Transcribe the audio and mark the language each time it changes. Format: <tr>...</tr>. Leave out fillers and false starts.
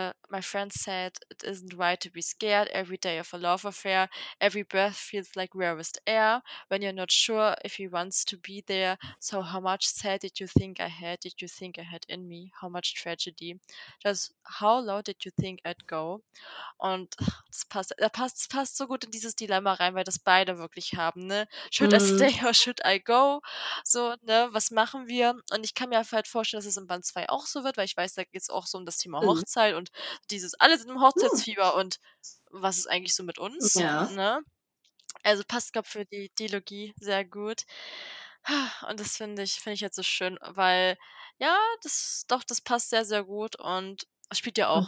<en>My friend said, it isn't right to be scared every day of a love affair. Every breath feels like rarest air when you're not sure if he wants to be there. So how much sad did you think I had? Did you think I had in me? How much tragedy? Just how low did you think I'd go?</en> <de>Und das passt so gut in dieses Dilemma rein, weil das beide wirklich haben, ne?</de> <en>Should I stay or should I go?</en> <de>So, ne, was machen wir? Und ich kann mir halt vorstellen, dass es in Band 2 auch so wird, weil ich weiß, da geht es auch so um das Thema Hochzeit und dieses, alle sind im Hochzeitsfieber und was ist eigentlich so mit uns? Ja. Ne? Also passt, glaube ich, für die Dialogie sehr gut. Und das finde ich jetzt so schön, weil, ja, das passt sehr, sehr gut und spielt ja auch.</de>